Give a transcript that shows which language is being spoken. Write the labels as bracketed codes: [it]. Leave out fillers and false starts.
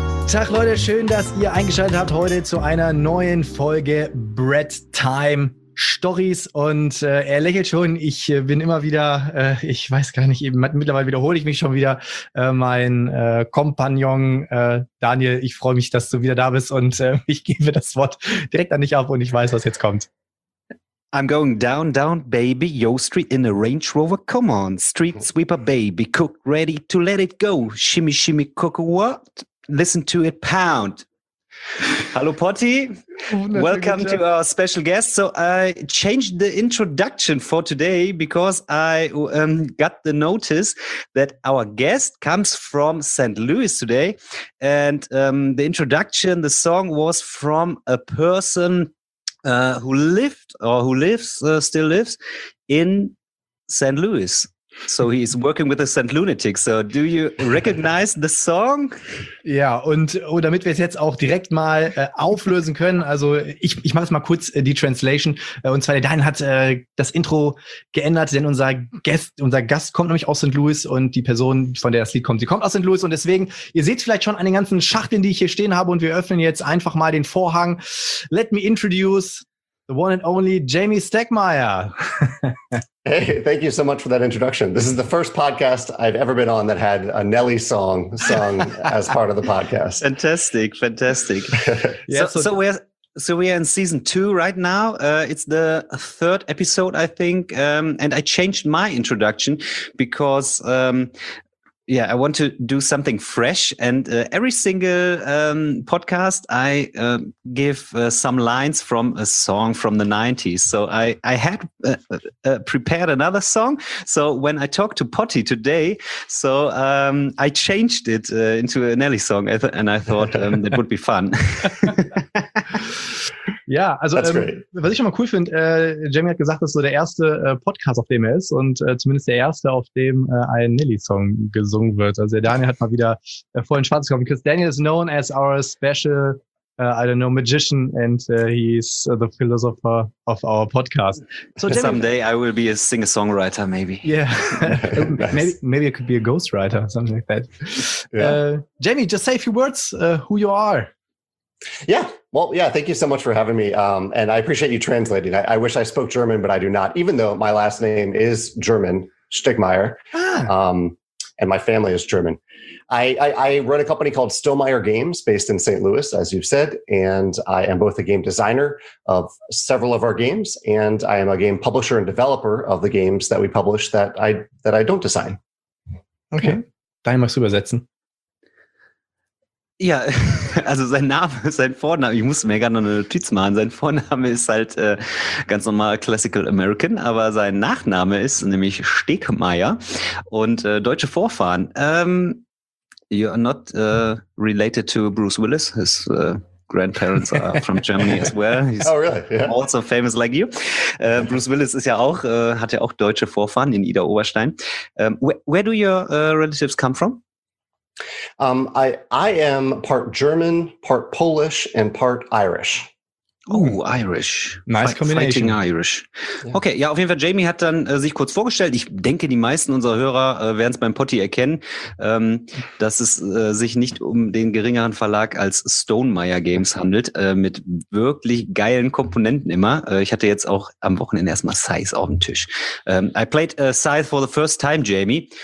[de] Tag Leute, schön, dass ihr eingeschaltet habt heute zu einer neuen Folge Brett Time Stories und er lächelt schon. Ich bin immer wieder, ich weiß gar nicht, eben mittlerweile wiederhole ich mich schon wieder, mein Kompagnon Daniel. Ich freue mich, dass du wieder da bist und ich gebe das Wort direkt an dich ab und ich weiß, was jetzt kommt. [en] I'm going down, down, baby, Yo Street in a Range Rover. Come on, Street Sweeper, baby, cook, ready to let it go. Shimmy, shimmy, cook, what? Listen to it, pound. Hallo Potti, welcome to our special guest. So I changed the introduction for today because I got the notice that our guest comes from St. Louis today. And the introduction, the song was from a person who lived or who lives, still lives in St. Louis. So he's working with the St. Lunatics. So do you recognize the song? [de] Ja, und oh, damit wir es jetzt auch direkt mal auflösen können, also ich mache es mal kurz die Translation. Und zwar der Daniel hat das Intro geändert, denn unser Gast kommt nämlich aus St. Louis und die Person, von der das Lied kommt, sie kommt aus St. Louis. Und deswegen, ihr seht vielleicht schon an den ganzen Schachteln, die ich hier stehen habe, und wir öffnen jetzt einfach mal den Vorhang. [en] Let me introduce the one and only Jamie Stegmaier. Hey, thank you so much for that introduction. This is the first podcast I've ever been on that had a Nelly song sung as part of the podcast. Fantastic, fantastic. So we are in season two right now. It's the third episode, I think. And I changed my introduction because, I want to do something fresh. And every single podcast, I give some lines from a song from the 90s. So I had prepared another song. So when I talked to Potti today, so I changed it into a Nelly song. And I thought it would be fun. [de] Ja, also was ich schon mal cool finde, Jamie hat gesagt, das ist so der erste Podcast, auf dem er ist und zumindest der erste, auf dem ein Nelly-Song gesungen wird. Also der Daniel hat mal wieder voll in Schwarz gekommen, [en] because Daniel is known as our special, magician and he's the philosopher of our podcast. So Jamie, someday I will be a singer-songwriter, maybe. Yeah, maybe it could be a ghostwriter, something like that. Yeah. Jamie, just say a few words, who you are. Yeah. Well, yeah, thank you so much for having me. And I appreciate you translating. I wish I spoke German, but I do not, even though my last name is German, Stegmaier, and my family is German. I run a company called Stillmeyer Games based in St. Louis, as you've said, and I am both a game designer of several of our games, and I am a game publisher and developer of the games that we publish that I don't design. Okay. [de] Dann machst du übersetzen. Ja, also sein Vorname, ich musste mir gerade noch eine Notiz machen, sein Vorname ist halt ganz normal [en] Classical American, [de] aber sein Nachname ist nämlich Stegmaier und deutsche Vorfahren. [en] You are not related to Bruce Willis, his grandparents are from Germany as well. He's oh, really? Yeah. Also famous like you. [de] Bruce Willis ist ja auch, hat ja auch deutsche Vorfahren in Idar-Oberstein. [en] Where do your relatives come from? I am part German, part Polish, and part Irish. Oh, Irish. Nice combination. Fighting Irish. Yeah. [de] Okay, ja, auf jeden Fall, Jamie hat dann sich kurz vorgestellt. Ich denke, die meisten unserer Hörer werden es beim Potti erkennen, dass es sich nicht um den geringeren Verlag als Stonemaier Games handelt, mit wirklich geilen Komponenten immer. Ich hatte jetzt auch am Wochenende erstmal Scythe auf dem Tisch. [en] I played Scythe for the first time, Jamie.